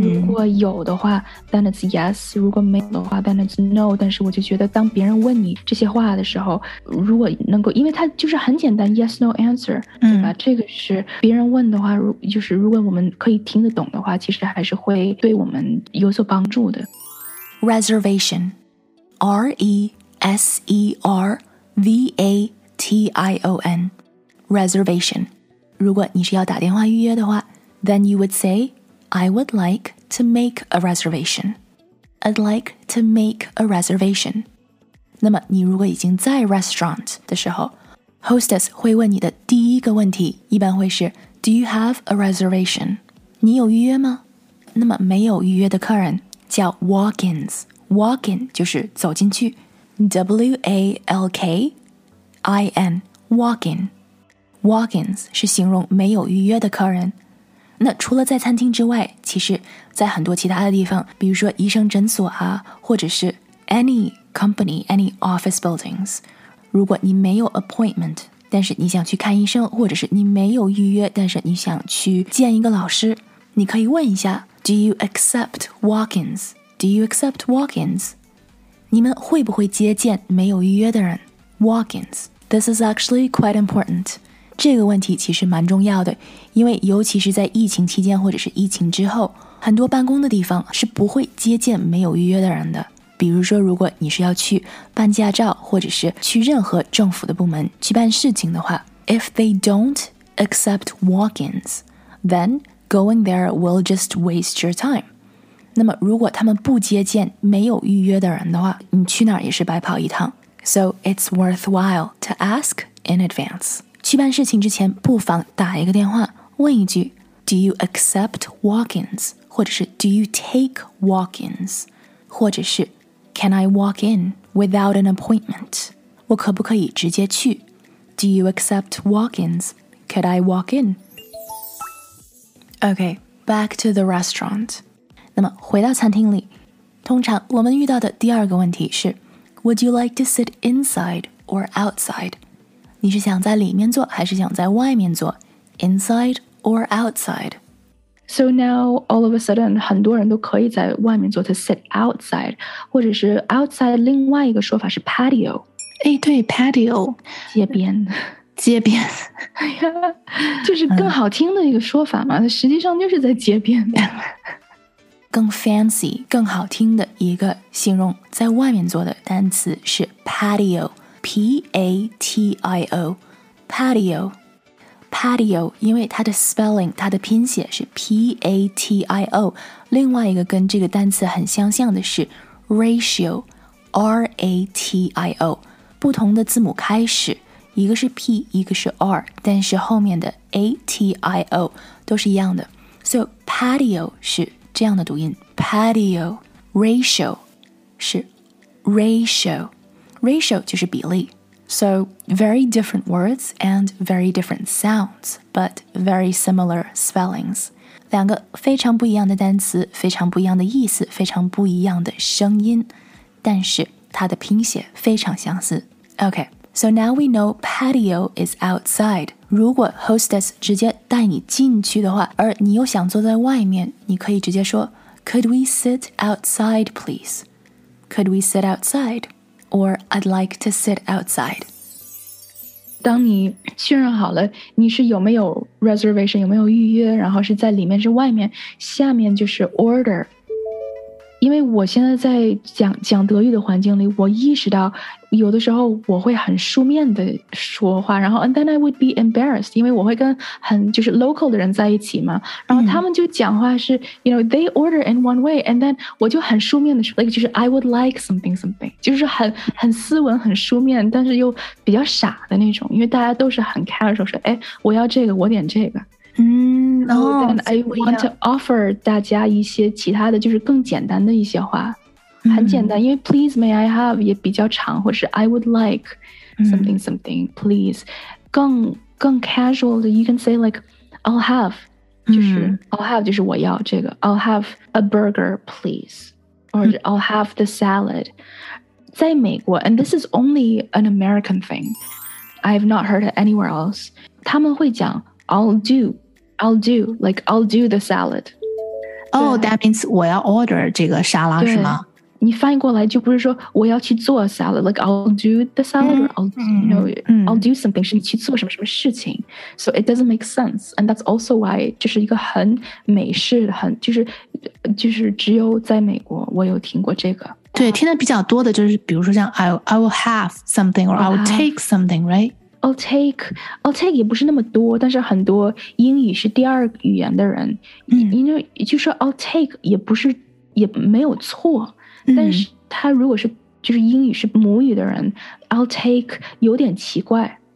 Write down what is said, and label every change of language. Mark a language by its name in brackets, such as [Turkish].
[Chinese] 如果有的话 [English] then it's yes， [Chinese] 如果没有的话 [English] then it's no， [Chinese] 但是我就觉得当别人问你这些话的时候，如果能够，因为它就是很简单 [English] yes no answer， [Chinese] 对吧、嗯、这个是别人问的话，就是如果我们可以听得懂的话，其实还是会对我们有所帮助的。 [English] Reservation， R-E-S-E-R-V-A-T-I-O-N， Reservation， [Chinese] 如果你是要打电话预约的话， [English] then you would sayI would like to make a reservation. I'd like to make a reservation. [Chinese] 那么你如果已经在 restaurant 的时候， hostess 会问你的第一个问题一般会是 [English] Do you have a reservation? [Chinese] 你有预约吗？那么没有预约的客人叫 walk-ins. Walk-in 就是走进去， W-A-L-K-I-N, walk-in. Walk-ins 是形容没有预约的客人。那除了在餐厅之外，其实在很多其他的地方，比如说医生诊所啊，或者是 [English] any company, any office buildings， [Chinese] 如果你没有 appointment， 但是你想去看医生，或者是你没有预约，但是你想去见一个老师，你可以问一下 [English] Do you accept walk-ins? Do you accept walk-ins? [Chinese] 你们会不会接见没有预约的人？ [English] Walk-ins. This is actually quite important. [Chinese] 这个问题其实蛮重要的，因为尤其是在疫情期间或者是疫情之后，很多办公的地方是不会接见没有预约的人的。比如说如果你是要去办驾照或者是去任何政府的部门去办事情的话， [English] If they don't accept walk-ins, then going there will just waste your time. [Chinese] 那么如果他们不接见没有预约的人的话，你去哪儿也是白跑一趟。 [English] So it's worthwhile to ask in advance. [Chinese] 去办事情之前不妨打一个电话问一句 [English] Do you accept walk-ins? [Chinese] 或者是 [English] Do you take walk-ins? 或者是 Can I walk in without an appointment? [Chinese] 我可不可以直接去？ [English] Do you accept walk-ins? Could I walk in? Okay, back to the restaurant. [Chinese] 那么回到餐厅里，通常我们遇到的第二个问题是 [English] Would you like to sit inside or outside? [Chinese] 你是想在里面坐还是想在外面坐 ？ [English] Inside or outside? So now all of a sudden, [Chinese] 很多人都可以在外面坐 [English] to sit outside, [Chinese] 或者是 outside 另外一个说法是 patio. 哎，对 ，patio，街边，街边，哎呀，就是更好听的一个说法嘛。实际上就是在街边，更 fancy、更好听的一个形容在外面坐的单词是 patio。 P-A-T-I-O Patio Patio 因为它的 spelling 它的拼写是 P-A-T-I-O 另外一个跟这个单词很相像的是 Ratio R-A-T-I-O 不同的字母开始一个是 P 一个是 R 但是后面的 A-T-I-O 都是一样的 So Patio 是这样的读音 Patio Ratio 是 RatioRatio 就是比例， [English] So very different words and very different sounds, but very similar spellings. [Chinese] 两个非常不一样的单词，非常不一样的意思，非常不一样的声音，但是它的拼写非常相似。 [English] Okay, so now we know patio is outside. [Chinese] 如果 hostess 直接带你进去的话，而你又想坐在外面，你可以直接说 [English] Could we sit outside, please? Could we sit outside? Or I'd like to sit outside. [Chinese] 当你确认好了你是有没有 reservation, 有没有预约，然后是在里面是外面，下面就是 order. 因为我现在在讲德语的环境里，我意识到有的时候我会很书面的说话，然后 [English] and then I would be embarrassed, [Chinese] 因为我会跟很就是 local 的人在一起嘛，然后他们就讲话是、mm. [English] you know, they order in one way, and then [Chinese] 我就很书面的说、like, 就是 [English] I would like something something, [Chinese] 就是很斯文很书面，但是又比较傻的那种，因为大家都是很 casual 说，哎，我要这个，我点这个。嗯，然后 [English] I want to offer [Chinese] 大家一些其他的，就是更简单的一些话，嗯、很简单，因为 [English] please may I have 也比较长，或是 I would like something something、嗯、please 更 casual 的 ，you can say like I'll have 就是、嗯、I'll have [Chinese] 就是我要这个 [English] ，I'll have a burger please， or、嗯、I'll have the salad。 [Chinese] 在美国 [English] ，and this is only an American thing， I've not heard it anywhere else。 [Chinese] 他们会讲。 [English] I'll do, like I'll do the salad. Oh, that means [Chinese] 我要 order 这个沙拉是吗？你翻译过来就不是说我要去做 salad, [English] like I'll do the salad,、 [Chinese] mm, or I'll, you know,、mm. [English] I'll do something, [Chinese] 是你去做什么什么事情。 [English] So it doesn't make sense. And that's also why [Chinese] 就是一个很美式的很就是只有在美国我有听过这个。对，听得比较多的就是比如说像 [English] I will have something, or I'll take something, right? [Chinese] I'll take 也不是那么多，但是很多英语是第二语言的人，因为、mm. 就说 I'll take 也不是也没有错、mm. 但是他如果是就是英语是母语的人 I'll take 有点奇怪。